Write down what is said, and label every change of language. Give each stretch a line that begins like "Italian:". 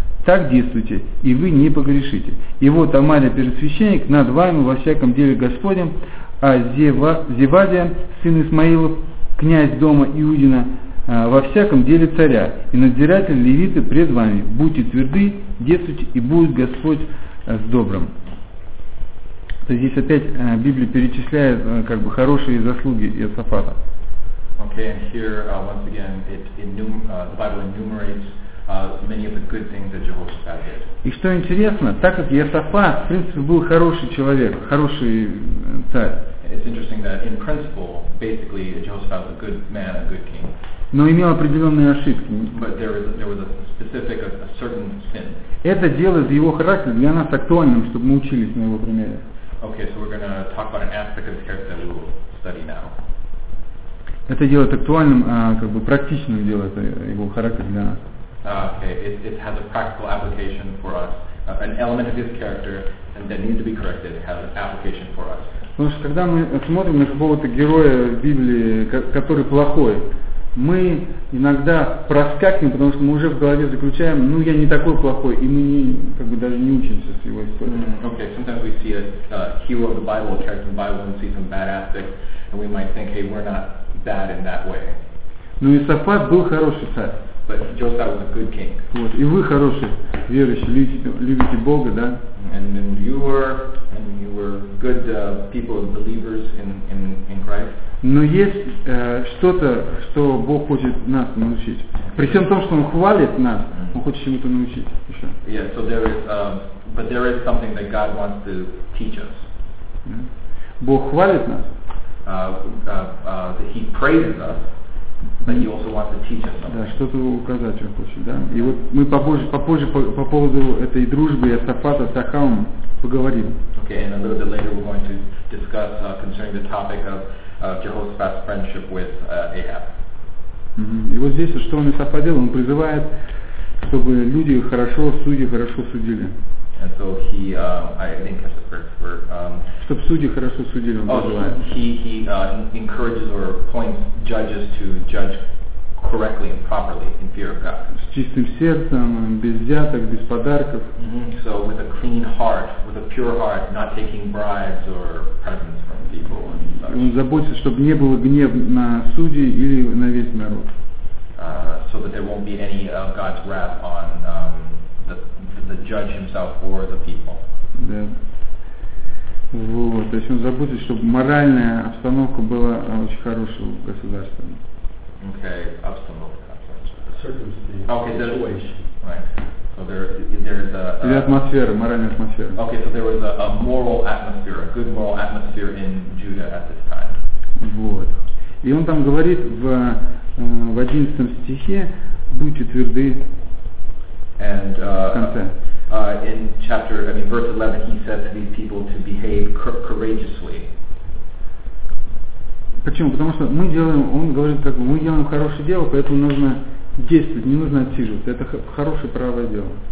Russian: Так действуйте, и вы не погрешите. И вот Амалия первосвященник над вами во всяком деле Господнем, а Зевадия, сын Исмаилов, князь дома Иудина, во всяком деле царя, и надзиратель левиты пред вами. Будьте тверды, действуйте, и будет Господь с добрым. То есть здесь опять Библия перечисляет как бы хорошие заслуги Иосафата.
English: Okay, and here once again the Bible enumerates many of the good things that Jehoshaphat did.
Russian: И что интересно, так как Иосафат, в принципе, был хороший человек, хороший царь.
English: It's interesting that in principle, basically, Jehoshaphat was a good man, a good king.
Russian: Но имел определенные ошибки.
English: But there was a specific, a certain sin.
Russian: Это дело из его характера для нас актуальным, чтобы мы учились на его примере.
English: Okay, so we're going to talk about an aspect of his character that we will study now.
Russian: Это делает актуальным, как бы практичным делает его характер для нас.
English: Okay, it has a practical application for us. An element of his character that needs to be corrected has an application for us.
Russian: Потому что когда мы смотрим на какого-то героя в Библии, который плохой, мы иногда проскакиваем, потому что мы уже в голове заключаем, ну я не такой плохой, и мы не, как бы даже не учимся с его историей.
English: Okay, sometimes we see a hero of the Bible, a character in the Bible, and see some bad aspects, and we might think, hey, we're not bad in that way.
Russian: Но Иосафат был хороший царь.
English: But Jehoshaphat was a good king.
Russian: Вот, и вы хорошие верующие, любите Бога, да?
English: And you were good people, believers in Christ.
Russian: Но есть что-то, что Бог хочет нас научить. При всем том, что Он хвалит нас, Он хочет чему-то научить еще.
English: Yeah, so there is something that God wants to teach us.
Russian: Yeah. Бог хвалит нас.
English: He praises us, but He also wants to teach us something.
Russian: Да, что-то указать Он хочет, да. И вот мы попозже по поводу этой дружбы Иосафата с Ахавом поговорим.
English: Okay, and a little bit later we're going to discuss concerning the topic of Jehoshaphat's friendship with Ahab. Mm-hmm.
Russian: И вот здесь что он Иосафат делает? Он призывает, чтобы люди хорошо, судьи хорошо судили.
English: And so he, I think that's the first word.
Russian: Чтобы судьи хорошо судили, он призывает.
English: Oh, he encourages or points judges to judge correctly and properly in fear of God.
Russian: С чистым сердцем, без взяток, без подарков. Mm-hmm.
English: So with a clean heart, with a pure heart, not taking bribes or presents from people.
Russian: Он заботится, чтобы не было гнев на судей или на весь народ.
English: So that there won't be any of God's wrath on the judge himself or the people.
Russian: Да. Вот. То есть он заботится, чтобы моральная обстановка была очень хорошая в государстве. Okay, обстановка.
English: Okay, the situation. Right. So there is a.
Russian: Или атмосфера, моральная атмосфера.
English: Okay, so there was a moral atmosphere, a good moral atmosphere in Judah at this.
Russian: Вот. И он там говорит в 11 стихе, будьте тверды.
English: And in chapter, I mean verse 11, he said to these people to behave courageously.
Russian: Почему? Потому что мы делаем, он говорит, как бы мы делаем хорошее дело, поэтому нужно действовать, не нужно отсиживаться. Это хорошее правое дело.